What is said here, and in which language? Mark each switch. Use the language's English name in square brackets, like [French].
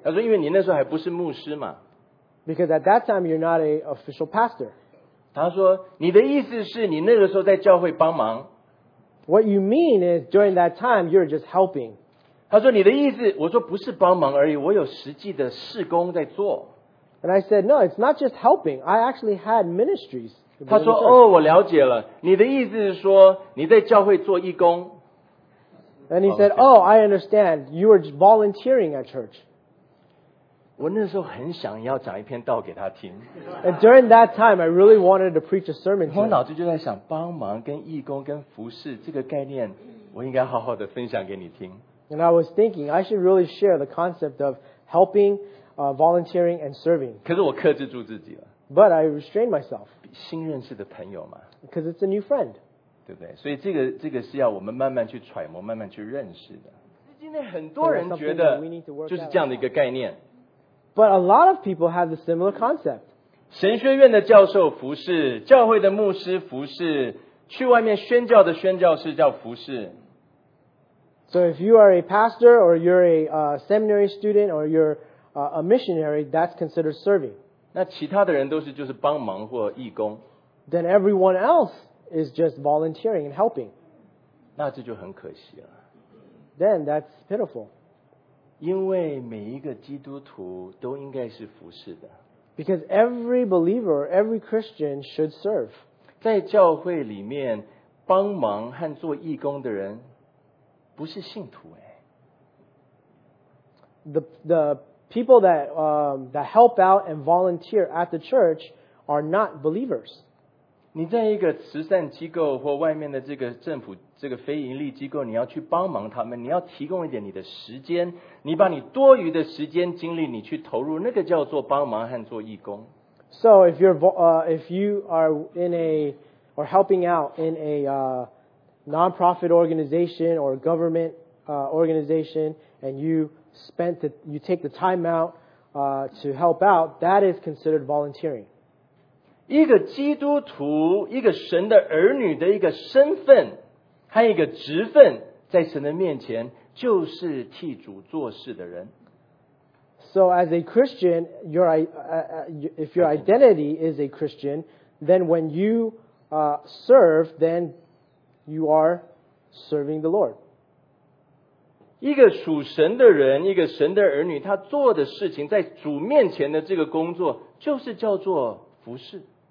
[Chinese] 他说因为你那时候还不是牧师嘛。 [English] Because at that time, you're not an official pastor. [Chinese] 他说你的意思是你那个时候在教会帮忙。 [English] What you mean is during that time, you're just helping. [Chinese] 他说你的意思，我说不是帮忙而已，我有实际的事工在做。 [English] And I said, no, it's not just helping. I actually had ministries. [Chinese] 他说，哦，我了解了。你的意思是说你在教会做义工。 [English] And he said, oh, I understand. You were volunteering at church. [Chinese] 我那时候很想要讲一篇道给他听。 [English] And during that time, I really wanted to preach a sermon to him. [Chinese] 我脑子就在想，帮忙跟义工跟服事这个概念，我应该好好的分享给你听。 [English] And I was thinking, I should really share the concept of helping volunteering and serving. [Chinese] 可是我克制住自己了。 [English] But I restrained myself. [Chinese] 新认识的朋友嘛。 [English] Because it's a new friend. [Chinese] 对不对？所以这个是要我们慢慢去揣摩，慢慢去认识的。今天很多人觉得就是这样的一个概念。 [English] But a lot of people have the similar concept. [Chinese] 神学院的教授服事，教会的牧师服事，去外面宣教的宣教士叫服事。 [English] So if you are a pastor or you're a seminary student or you're a missionary, that's considered serving. [Chinese] 那其他的人都是就是帮忙或义工。 [English] Then everyone else is just volunteering and helping. [Chinese] 那这就很可惜了。 [English] Then that's pitiful. [Chinese] 因为每一个基督徒都应该是服事的。 [English] Because every believer, every Christian should serve. [Chinese] 在教会里面帮忙和做义工的人不是信徒耶。 [English] The people that, that help out and volunteer at the church are not believers. [Chinese] 你在一个慈善机构或外面的这个政府这个非盈利机构，你要去帮忙他们，你要提供一点你的时间，你把你多余的时间精力你去投入，那个叫做帮忙和做义工。 [English] So if you're if you are in a or helping out in a non-profit organization or government organization and you take the time out to help out, that is considered volunteering. [Chinese] 一个基督徒，一个神的儿女的一个身份和一个职分，在神的面前就是替主做事的人。 [English] So as a Christian, if your identity is a Christian, then when you serve, then you are serving the Lord. [Chinese] 一个属神的人，一个神的儿女，他做的事情，在主面前的这个工作，就是叫做服事。